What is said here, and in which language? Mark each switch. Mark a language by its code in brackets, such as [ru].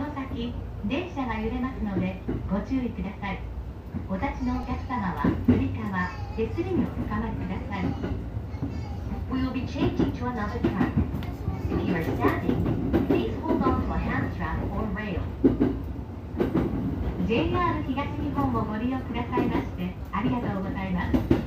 [ja] 時電車が揺れますのでご注意ください。お立ちのお客様はつり革手すりにおつかまりください。 [en] We will be changing to another track. If you are standing, please hold on to a hand trap or rail. [ja] JR 東日本をご利用くださいましてありがとうございます。